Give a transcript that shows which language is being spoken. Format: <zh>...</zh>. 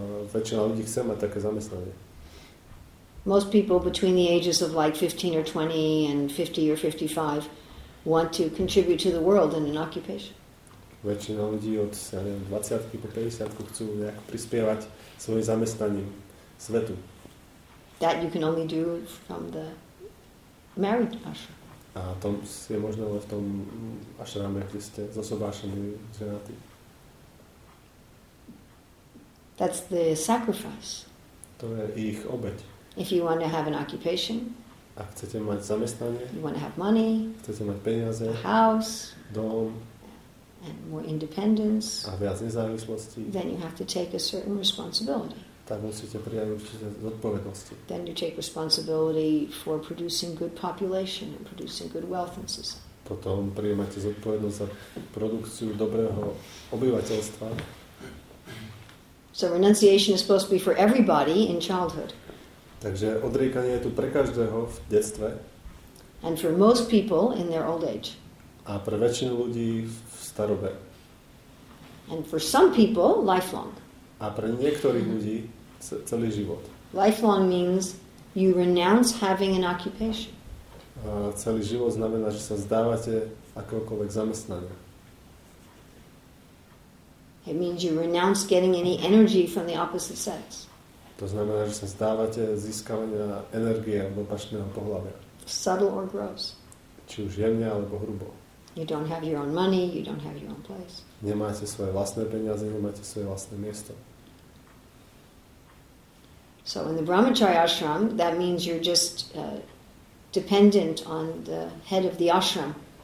<sk>Väčšina ľudí chce mať také zamestnanie.</sk> <en>Most people between the ages of like 15 or 20 and 50 or 55 want to contribute to the world in an occupation.</en> <sk>Väčšina ľudí od 20-ky po 50-ku chcú nejak prispievať svojim zamestnaním svetu.</sk> <en>That you can only do from the married ashram.</en> <sk>A to je možné len v tom ashrame, kde ste zosobášení ženatí.</sk> <en>That's the sacrifice.</en> <sk>To je ich obeť.</sk> <en>If you want to have an occupation,</en> <sk>ak chcete mať zamestnanie,</sk> <en>you want to have money,</en> <sk>chcete mať peniaze,</sk> <en>a house,</en> <sk>dom,</sk> <en>and more independence,</en> <sk>a viac nezávislosti,</sk> <en>then you have to take a certain responsibility.</en> <sk>Tak musíte prijať určité zodpovednosti.</sk> <en>Then you take responsibility for producing good population and producing good wealth in society.</en> <sk>Potom prijímate zodpovednosť za produkciu dobrého obyvateľstva.</sk> <en>So renunciation is supposed to be for everybody in childhood.</en> <sk>Takže odriekanie je tu pre každého v detstve.</sk> <en>And for most people in their old age.</en> <sk>A pre väčšinu ľudí v starobe.</sk> <en>And for some people lifelong.</en> <sk>A pre niektorých ľudí celý život.</sk> <en>Lifelong means you renounce having an occupation.</en> <sk>A celý život znamená, že sa vzdávate akéhokoľvek zamestnania.</sk> <en>It means you renounce getting any energy from the opposite sex.</en> <sk>To znamená, že sa vzdávate získavania energie od opačného pohlavia.</sk> <en>Subtle or gross.</en> <sk>Či už jemne alebo hrubo.</sk> <en>You don't have your own money, you don't have your own place.</en> <sk>Nemáte svoje vlastné peniaze, nemáte svoje vlastné miesto.</sk> <en>So in the Brahmachari ashram, that means you're just dependent on the head of the ashram.</en>